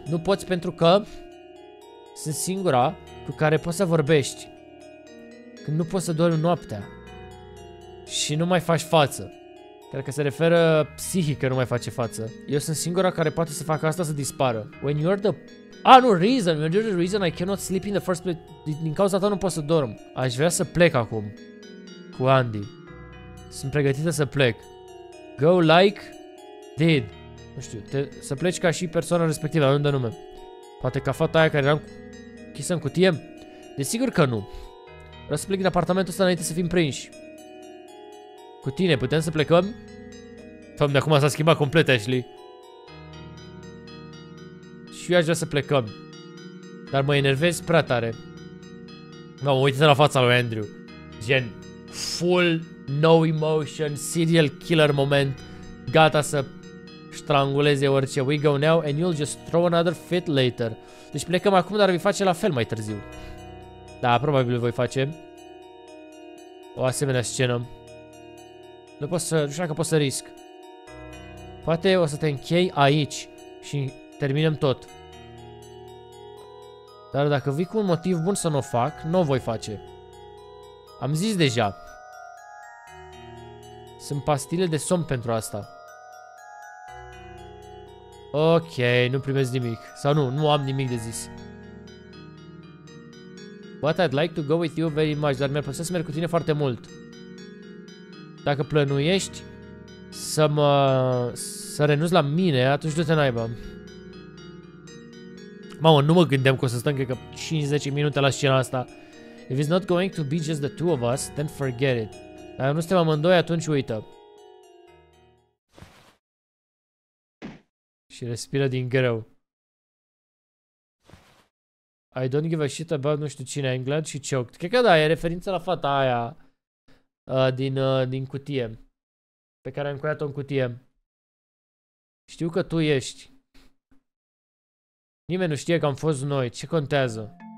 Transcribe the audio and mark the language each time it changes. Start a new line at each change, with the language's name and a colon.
Romanian: Nu poți pentru că sunt singura cu care poți să vorbești. Când nu poți să dormi noaptea și nu mai faci față. Cred că se referă psihică, nu mai face față. Eu sunt singura care poate să facă asta să dispară.
English: When you're the... Ah, nu, reason. When you're the reason I cannot sleep in the first place.
Romanian: Din cauza ta nu pot să dorm. Aș vrea să plec acum. Cu Andy. Sunt pregătită să plec.
English: Go like... Did.
Romanian: Nu știu, să pleci ca și persoana respectivă, unde nume. Poate ca fata aia care eram chisă în cutie? Desigur că nu. Vreau să plec din apartamentul ăsta înainte să fim prinși. Cu tine, putem să plecăm? Doamne, acum s-a schimbat complet, Ashley. Și eu aș vrea să plecăm. Dar mă enervez prea tare. Mă uită la fața lui Andrew. Gen,
English: full, no emotion, serial killer moment.
Romanian: Gata să ștranguleze orice.
English: We go now and you'll just throw another fit later.
Romanian: Deci plecăm acum, dar vei face la fel mai târziu. Da, probabil voi face o asemenea scenă. Nu pot să, nu știu dacă pot să risc. Poate o să te închei aici și terminăm tot. Dar dacă vii cu un motiv bun să nu o fac, nu o voi face. Am zis deja. Sunt pastile de somn pentru asta. Ok, nu primesc nimic. Sau nu, nu am nimic de zis.
English: But I'd like to go with you very much.
Romanian: Dar mi-ar plăcea să merg cu tine foarte mult. Dacă plănuiești să mă... să renunți la mine, atunci du-te naiba. Mamă, nu mă gândeam că o să stăm, cred că 50 minute la scena asta.
English: If it's not going to be just the two of us, then forget it.
Romanian: Dacă nu suntem amândoi, atunci uită. Și respiră din greu.
English: I don't give a shit about
Romanian: nu știu cine,
English: I'm glad she choked.
Romanian: Cred că da, e referință la fata aia. Din cutie. Pe care am încuiat-o în cutie. Știu că tu ești. Nimeni nu știe că am fost noi. Ce contează?